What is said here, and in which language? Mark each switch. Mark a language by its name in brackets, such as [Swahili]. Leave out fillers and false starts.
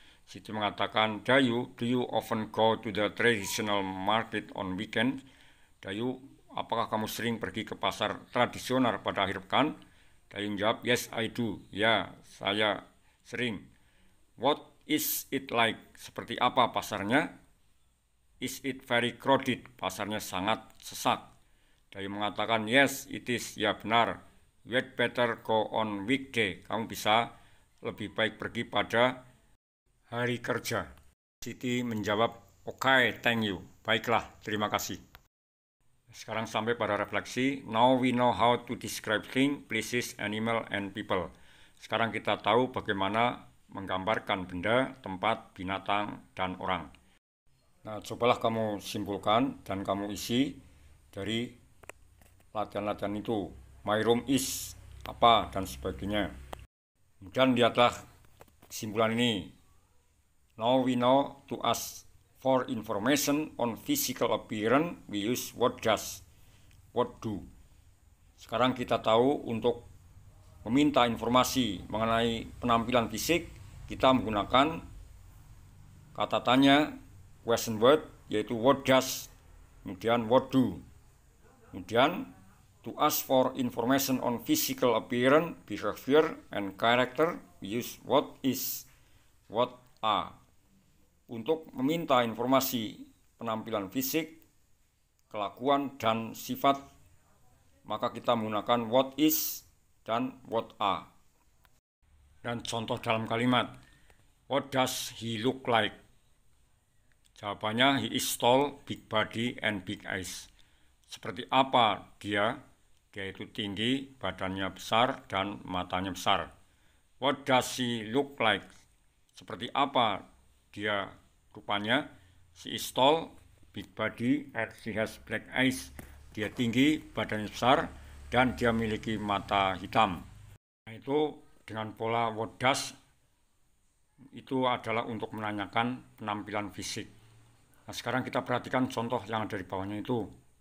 [Indonesian] Siti mengatakan, [English] Dayu, do you often go to the traditional market on weekend? [Indonesian] Dayu, apakah kamu sering pergi ke pasar tradisional pada akhir pekan? Dayu menjawab, [English] yes, I do. [Indonesian] Ya, saya sering. [English] What is it like? [Indonesian] Seperti apa pasarnya? [English] Is it very crowded? [Indonesian] Pasarnya sangat sesak. Dayu mengatakan, [English] yes, it is. [Indonesian] Ya, benar. [English] You'd better go on weekday. [Indonesian] Kamu bisa lebih baik pergi pada hari kerja. Siti menjawab, [English] okay, thank you. [Indonesian] Baiklah, terima kasih. Sekarang sampai pada refleksi. [English] Now we know how to describe things, places, animals, and people. [Indonesian] Sekarang kita tahu bagaimana menggambarkan benda, tempat, binatang, dan orang. Nah, cobalah kamu simpulkan dan kamu isi dari latihan-latihan itu. [English] My room is [Indonesian] apa dan sebagainya. Kemudian lihatlah kesimpulan ini. [English] Now we know to ask for information on physical appearance, we use what does, what do. [Indonesian] Sekarang kita tahu untuk meminta informasi mengenai penampilan fisik, kita menggunakan kata tanya, question word, yaitu what does, kemudian what do. [English] Kemudian, to ask for information on physical appearance, behavior, and character, we use what is, what are. [Indonesian] Untuk meminta informasi penampilan fisik, kelakuan, dan sifat, maka kita menggunakan what is dan what are. Dan contoh dalam kalimat, [English] what does he look like? [Indonesian] Jawabannya, [English] he is tall, big body, and big eyes. [Indonesian] Seperti apa dia? Yaitu tinggi, badannya besar, dan matanya besar. [English] What does he look like? [Indonesian] Seperti apa dia rupanya? [English] She is tall, big body, and she has black eyes. [Indonesian] Dia tinggi, badannya besar, dan dia memiliki mata hitam. Nah, itu dengan pola what does, itu adalah untuk menanyakan penampilan fisik. Nah, sekarang kita perhatikan contoh yang ada di bawahnya itu.